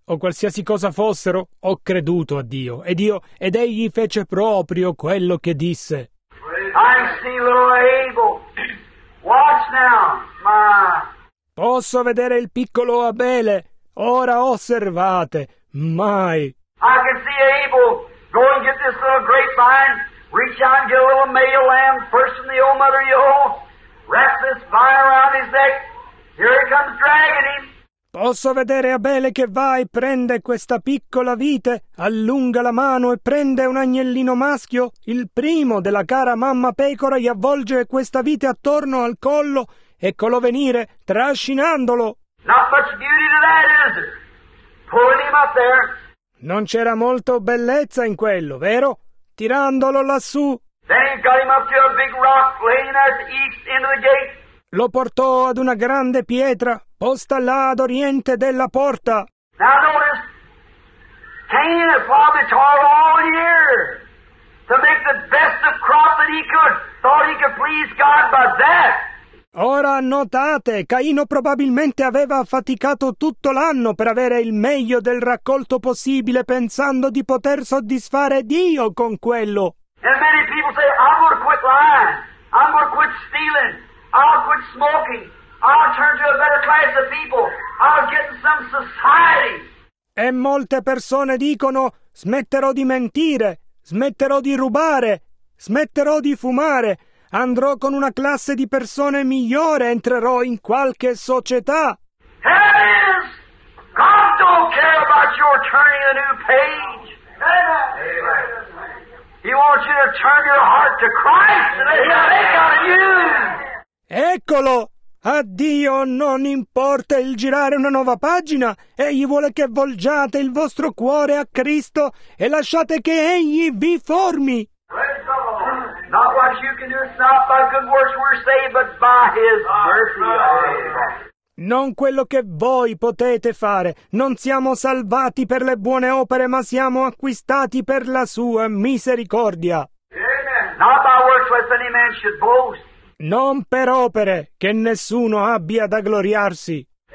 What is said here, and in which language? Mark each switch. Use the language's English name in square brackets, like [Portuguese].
[Italian] O qualsiasi cosa fossero, ho creduto a Dio, ed egli fece proprio quello che disse. [English] I see little Abel. Watch now, ma. [Italian] Posso vedere il piccolo Abele. Ora osservate, mai. [English] I can see Abel go and get this little grapevine, reach out and get a little male lamb, first in the old mother yoke, wrap this vine around his neck. Here it comes dragging him. [Italian] Posso vedere Abele che va e prende questa piccola vite, allunga la mano e prende un agnellino maschio, il primo della cara mamma pecora gli avvolge questa vite attorno al collo, eccolo venire, trascinandolo. [English] Not much beauty to that, is it? Pulling him up there. [Italian] Non c'era molto bellezza in quello, vero? Tirandolo lassù. [English] Then he got him up to a big rock laying at the east end of the gate. [Italian] Lo portò ad una grande pietra, posta là ad oriente della porta. [English] Now notice, Cain had probably toiled all year to make the best of crop that he could, thought he could please God by that. [Italian] Ora notate, Caino probabilmente aveva faticato tutto l'anno per avere il meglio del raccolto possibile, pensando di poter soddisfare Dio con quello. [English] And many people say, I'm gonna quit lying, I'm gonna quit stealing. I'll quit smoking. I'll turn to a better class of people. I'll get in some society. [Italian] E molte persone dicono, smetterò di mentire, smetterò di rubare, smetterò di fumare, andrò con una classe di persone migliore, entrerò in qualche società. [English] Heavens! God don't care about your turning a new page. Amen. He wants you to turn your heart to Christ and let him make out of you. [Italian] Eccolo! A Dio non importa il girare una nuova pagina, egli vuole che volgiate il vostro cuore a Cristo e lasciate che egli vi formi. [English] Not what you can do, not by good works we're saved, but by his mercy. [Italian] Non quello che voi potete fare, non siamo salvati per le buone opere, ma siamo acquistati per la sua misericordia. [English] Not by works lest any man should boast. [Italian] Non per opere, che nessuno abbia da gloriarsi.